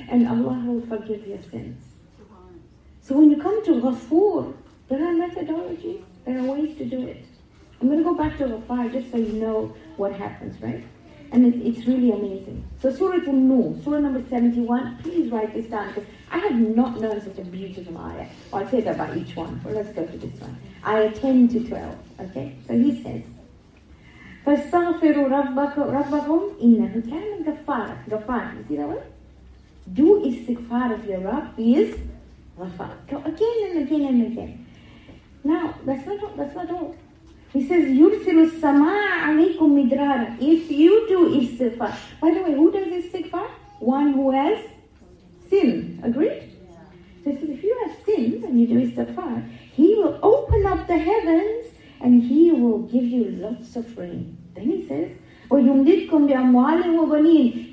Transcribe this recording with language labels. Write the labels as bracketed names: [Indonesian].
[English] And Allah will forgive your sins. So when you come to Ghafoor, there are methodologies. There are ways to do it. I'm going to go back to the fire just so you know what happens, right? And it's really amazing. So Surah An-Nur, Surah number 71, please write this down because I have not known such a beautiful ayah. Well, I'll say that about each one, but let's go to this one. Ayah 10 to 12, okay? So he says, [Arabic] فَاسْتَغْفِرُوا رَبَّكُمْ إِنَّهُ كَانَ غَفَارًا. [English] Ghafar, you see that word? Do istighfar of your Rabb, he is Ghafar. So again and again and again. Now, that's not all. He says, [Arabic] يُرْسِلُ السَّمَاءَ عَلَيْكُمْ مِدْرَارًا. [English] If you do istighfar. By the way, who does istighfar? One who has sin. Agreed? Yeah. So he says, if you have sin and you do istighfar, he will open up the heavens and he will give you lots of rain. Then he says, [Arabic] وَيُمْدِدْكُمْ بِأَمْوَالٍ وَبَنِينَ.